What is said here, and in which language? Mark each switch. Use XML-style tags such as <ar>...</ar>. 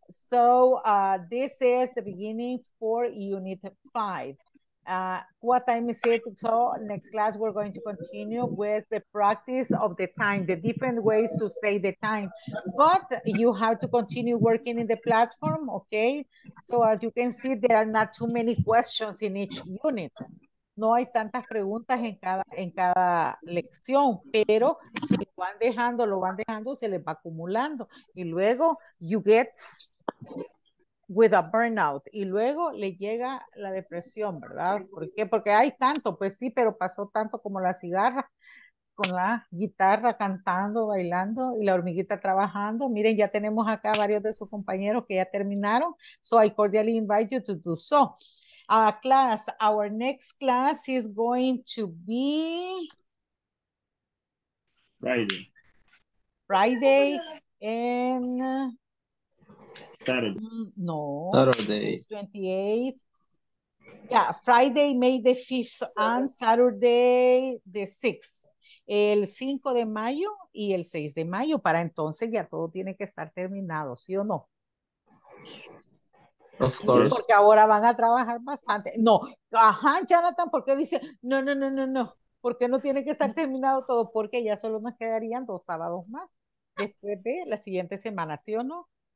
<en>So this is the beginning for unit 5. What time is it? So next class, we're going to continue with the practice of the time, the different ways to say the time. But you have to continue working in the platform, okay? So as you can see, there are not too many questions in each unit.</en> <es>No hay tantas preguntas en cada lección, pero si lo van dejando, se les va acumulando. Y luego,</es> <en>you get... with a burnout,</en> <es>y luego le llega la depresión, ¿verdad? ¿Por qué? Porque hay tanto, pues sí, pero pasó tanto como la cigarra, con la guitarra cantando, bailando, y la hormiguita trabajando. Miren, ya tenemos acá varios de sus compañeros que ya terminaron,</es> <en>so I cordially invite you to do so. Class, our next class is going to be... Friday, and... Saturday. No, Saturday. 28th. Yeah, Friday, May the 5th, and Saturday the 6th.</en> <es>El 5 de mayo y el 6 de mayo. Para entonces ya todo tiene que estar terminado, ¿sí o no?</es> <en>Of course.</en> <es>Porque ahora van a trabajar bastante. No, ajá, Jonathan, ¿por qué dice? No. ¿Por qué no tiene que estar terminado todo? Porque ya solo nos quedarían dos sábados más después de la siguiente semana, ¿sí o no?</es>